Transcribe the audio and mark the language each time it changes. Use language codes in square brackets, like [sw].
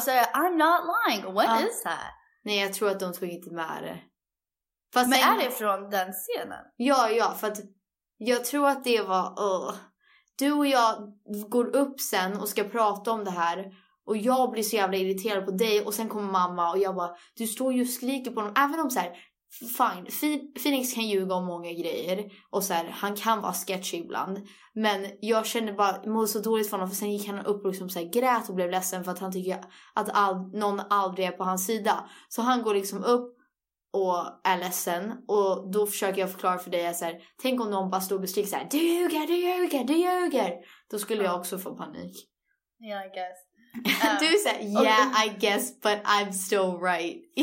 [sv] Och säger, [en] I'm not lying, what is that? [sv] Nej, jag tror att de tog inte med det. Fast men sen, är det från den scenen? Ja, ja, för att jag tror att det var... Du och jag går upp sen och ska prata om det här. Och jag blir så jävla irriterad på dig. Och sen kommer mamma och jag bara, du står ju och skriker på dem. Även om så här, fine, Phoenix kan ljuga om många grejer. Och så här, han kan vara sketchy ibland. Men jag kände bara, mådde så dåligt för honom. För sen gick han upp och liksom så här, grät och blev ledsen. För att han tycker att någon aldrig är på hans sida. Så han går liksom upp och är ledsen. Och då försöker jag förklara för dig. Så här, tänk om någon bara stod och skriker så här, du ljuger, du ljuger, du ljuger. Då skulle jag också få panik. [en] Yeah, I guess. [sv] Du säger, [en] yeah, okay. I guess, but I'm still right.